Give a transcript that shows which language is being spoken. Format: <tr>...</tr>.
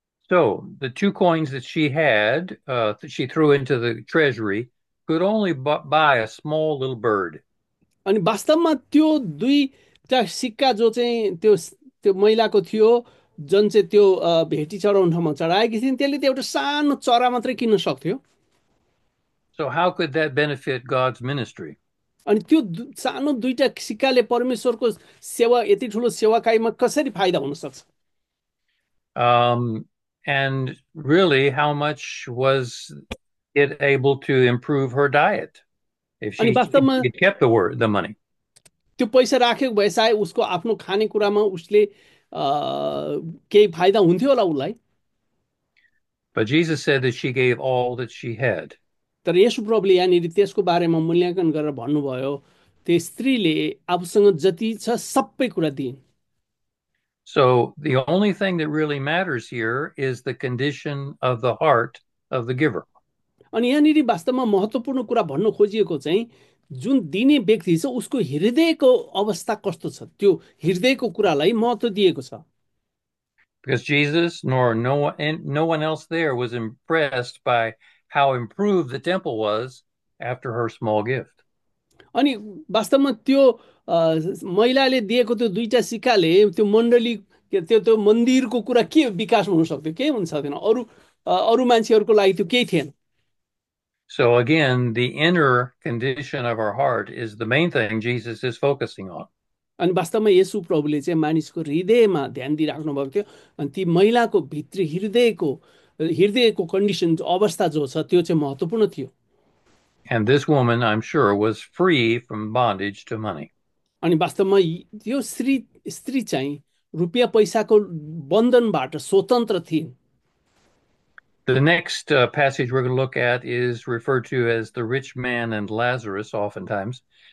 <en>So the two coins that she had, that she threw into the treasury, could only buy a small little bird.</en> <ne>अनि वास्तवमा त्यो 2 सिक्का जो चाहिँ त्यो त्यो महिलाको थियो जुन चाहिँ त्यो भेटी चढाउने ठाउँमा चढाएकी थिइन्, त्यसले त्यो एउटा सानो चरा मात्रै किन्न सक्थ्यो,</ne> <en>So how could that benefit God's ministry?</en> <ne>अनि त्यो सानो दुईटा सिक्काले परमेश्वरको सेवा यति ठुलो सेवाकाईमा कसरी फाइदा हुन सक्छ?</ne> <en>And really, how much was it able to improve her diet</en> <ne>अनि</ne> <en>if</en> <ne>वास्तवमा</ne> <en>she had kept the money?</en> <ne>त्यो पैसा राखेको भए सायद उसको आफ्नो खानेकुरामा उसले केही फाइदा हुन्थ्यो होला उसलाई,</ne> <en>But Jesus said that she gave all that she had.</en> <ne>तर यसु प्रभुले यहाँनिर त्यसको बारेमा मूल्याङ्कन गरेर भन्नुभयो त्यो स्त्रीले आफूसँग जति छ सबै कुरा दिइन्।</ne> <en>So the only thing that really matters here is the condition of the heart of the giver.</en> <ne>अनि यहाँनिर वास्तवमा महत्त्वपूर्ण कुरा भन्न खोजिएको चाहिँ जुन दिने व्यक्ति छ उसको हृदयको अवस्था कस्तो छ, त्यो हृदयको कुरालाई महत्त्व दिएको छ।</ne> <en>Because Jesus nor no one else there was impressed by how improved the temple was after her small gift.</en> <ne>अनि वास्तवमा त्यो महिलाले दिएको त्यो दुईटा सिक्काले त्यो मण्डली त्यो त्यो मन्दिरको कुरा के विकास हुन सक्थ्यो, केही हुन सक्दैन, अरू अरू मान्छेहरूको लागि त्यो केही थिएन।</ne> <en>So again, the inner condition of our heart is the main thing Jesus is focusing on.</en> <ne>अनि वास्तवमा येशु प्रभुले चाहिँ मानिसको हृदयमा ध्यान दिइराख्नु भएको थियो, अनि ती महिलाको भित्री हृदयको कन्डिसन अवस्था जो छ त्यो चाहिँ महत्त्वपूर्ण थियो।</ne> <en>And this woman, I'm sure, was free from bondage to money.</en> <ne>अनि वास्तवमा यो स्त्री चाहिँ रुपियाँ पैसाको बन्धनबाट स्वतन्त्र थिइन्।</ne> <en>The next passage we're going to look at is referred to as the rich man and Lazarus, oftentimes.</en>